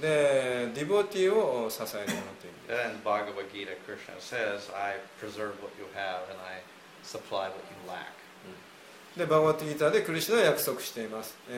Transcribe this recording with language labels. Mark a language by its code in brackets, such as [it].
[ja] で、ディボティを支えるものという。 [en] And Bhagavad Gita Krishna says, I preserve what you have and I supply what you lack. [ja] で、バガヴァギーターでクリシュナは約束しています。